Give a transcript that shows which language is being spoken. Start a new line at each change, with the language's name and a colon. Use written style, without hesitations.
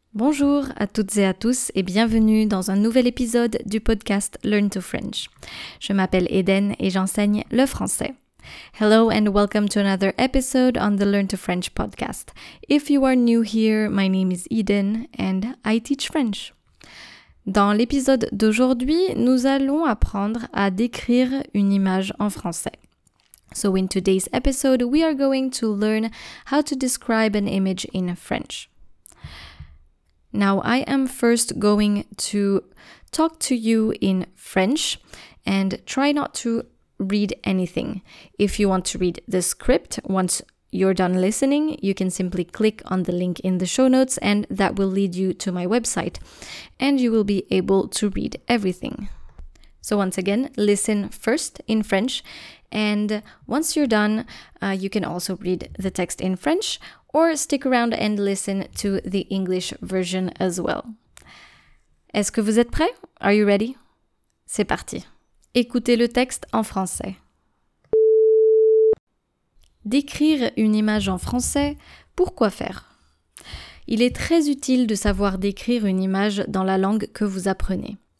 French: Bonjour à toutes et à tous et bienvenue dans un nouvel épisode du podcast Learn to French. Je m'appelle Eden et j'enseigne le français.
English: Hello and welcome to another episode on the Learn to French podcast. If you are new here, my name is Eden and I teach French.
French: Dans l'épisode d'aujourd'hui, nous allons apprendre à décrire une image en français.
English: So in today's episode, we are going to learn how to describe an image in French. Now, I am first going to talk to you in French and try not to read anything. If you want to read the script, once you're done listening, you can simply click on the link in the show notes and that will lead you to my website and you will be able to read everything. So once again, listen first in French and once you're done, you can also read the text in French or stick around and listen to the English version as well.
French: Est-ce que vous êtes prêts?
English: Are you ready?
French: C'est parti. Écoutez le texte en français. Décrire une image en français, pourquoi faire? Il est très utile de savoir décrire une image dans la langue que vous apprenez.